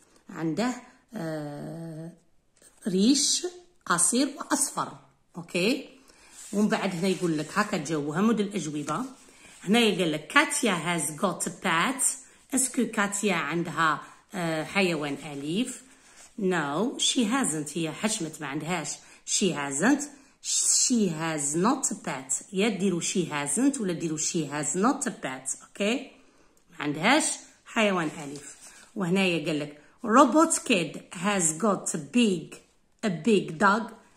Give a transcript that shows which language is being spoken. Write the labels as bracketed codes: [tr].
[ar] عنده ريش قصير وأصفر. اوكي ومن بعد هنا يقول لك هكا جو همود الأجوبة. هنا يقول لك كاتيا [en] has got a pet. [ar] اسكو كاتيا عندها حيوان أليف؟ [en] no she hasn't، [ar] هي حشمت ما عندهاش. [en] she hasn't، she has not a pet. [ar] يديرو [en] she hasn't [ar] ولا ديرو [en] she has not a pet. [ar] اوكي ما عندهاش حيوان أليف. وهنا يقول لك [en] robot kid has got a big dog.